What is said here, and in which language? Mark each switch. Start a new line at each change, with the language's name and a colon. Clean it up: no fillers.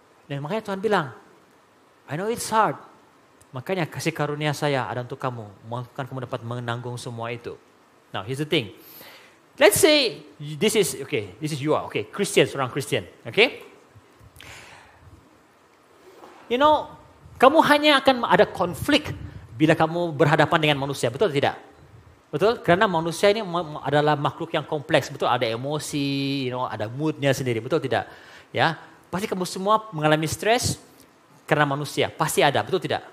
Malay: Dan makanya Tuhan bilang,
English: I know it's hard.
Malay: Makanya kasih karunia saya ada untuk kamu, maka kamu dapat menanggung semua itu.
English: Now, here's the thing. Let's say, this is you, Christian, seorang Christian, okay?
Malay: You know, kamu hanya akan ada konflik bila kamu berhadapan dengan manusia, betul atau tidak? Betul, karena manusia ini adalah makhluk yang kompleks, betul, ada emosi, you know, ada moodnya sendiri, betul tidak? Ya, pasti kamu semua mengalami stres karena manusia, pasti ada, betul tidak?